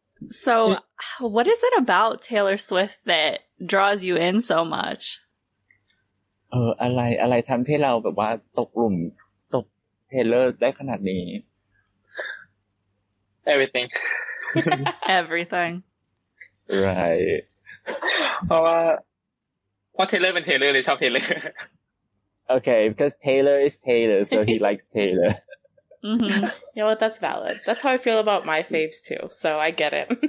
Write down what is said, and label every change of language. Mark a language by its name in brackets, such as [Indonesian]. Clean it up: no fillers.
[English] So, what is it about Taylor Swift that draws you in so much? [Thai] อะไรทำให้เราแบบว่าตกหลุมตกเทเลอร์ได้ขนาดนี้ [English] everything everything right [Thai] เพราะเทเลอร์เป็นเทเลอร์เลยชอบเทเลอร์ [English] okay because Taylor is Taylor so he likes Taylor you know what that's valid that's how I feel about my faves too so I get it